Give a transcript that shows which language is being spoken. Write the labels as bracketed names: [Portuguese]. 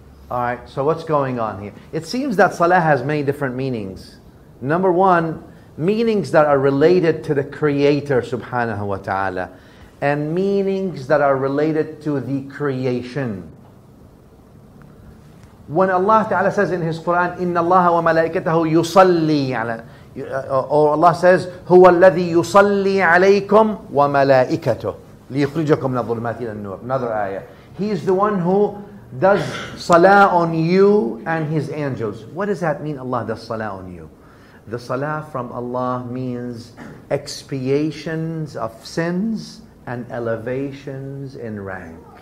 [English] Alright, so what's going on here? It seems that salah has many different meanings. Number one, meanings that are related to the Creator subhanahu wa ta'ala. And meanings that are related to the creation. When Allah Ta'ala says in His Quran, [Arabic] إِنَّ اللَّهَ وَمَلَائِكَتَهُ يُصَلِّي عَلَى, [English] or Allah says, [Arabic] هُوَ الَّذِي يُصَلِّي عَلَيْكُمْ وَمَلَائِكَتُهُ لِيُخْرِجَكُمْ لَظُلُمَاتِ إِلَى النُّورِ. [English] Another ayah. He is the one who does salah on you and His angels. What does that mean, Allah does salah on you? The salah from Allah means expiations of sins and elevations in rank.